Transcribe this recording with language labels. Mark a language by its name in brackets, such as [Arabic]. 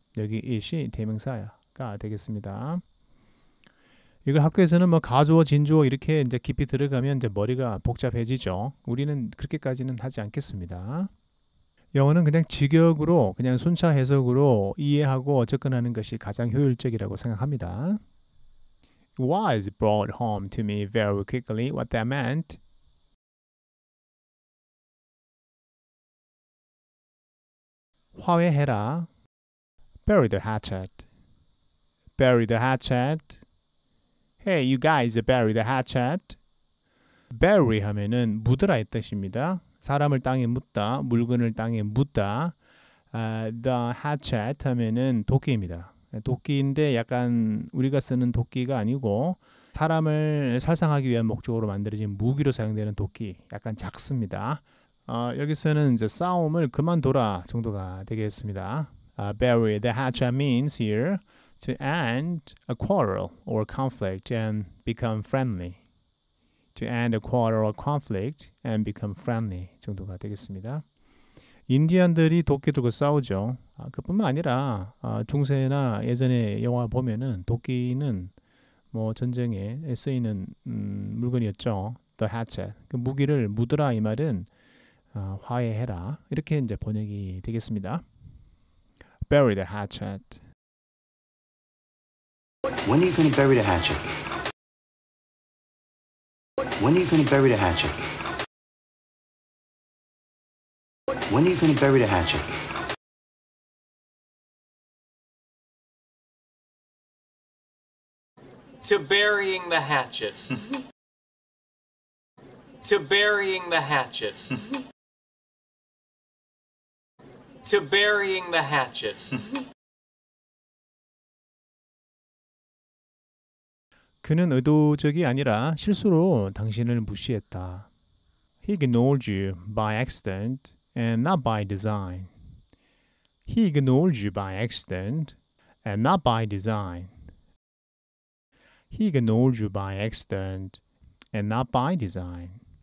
[Korean] 여기 it이 대명사가 되겠습니다. 이걸 학교에서는 뭐 가주어, 진주어 이렇게 이제 깊이 들어가면 이제 머리가 복잡해지죠. 우리는 그렇게까지는 하지 않겠습니다. 영어는 그냥 직역으로, 그냥 순차 해석으로 이해하고 접근하는 것이 가장 효율적이라고 생각합니다. [English] Was brought home to me very quickly what that meant. [Korean] 화해해라. [English] Bury the hatchet. Bury the hatchet. Hey, you guys bury the hatchet. [Korean] Bury 하면은 묻으라 이 뜻입니다. 사람을 땅에 묻다, 물건을 땅에 묻다. [English] The hatchet [Korean] 하면은 도끼입니다. 도끼인데 약간 우리가 쓰는 도끼가 아니고 사람을 살상하기 위한 목적으로 만들어진 무기로 사용되는 도끼. 약간 작습니다. 여기서는 이제 싸움을 그만둬라 정도가 되겠습니다. [English] Bury the hatchet means here to end a quarrel or conflict and become friendly. To end a quarrel or conflict and become friendly [Korean] 정도가 되겠습니다. 인디언들이 도끼 들고 싸우죠. 그뿐만 아니라 중세나 예전에 영화 보면은 도끼는 뭐 전쟁에 쓰이는 물건이었죠. [English] The hatchet. [Korean] 그 무기를 묻으라 이 말은 화해해라 이렇게 이제 번역이 되겠습니다. [English] Bury the hatchet. When are you going to bury the hatchet? When are you going to bury the hatchet? When are you going to bury the hatchet? To burying the hatchet. To burying the hatchet. To burying the hatchet. [Korean] 그는 의도적이 아니라 실수로 당신을 무시했다. [English] He ignored you by accident and not by design. He ignored you by accident and not by design. He ignored you by accident and not by design.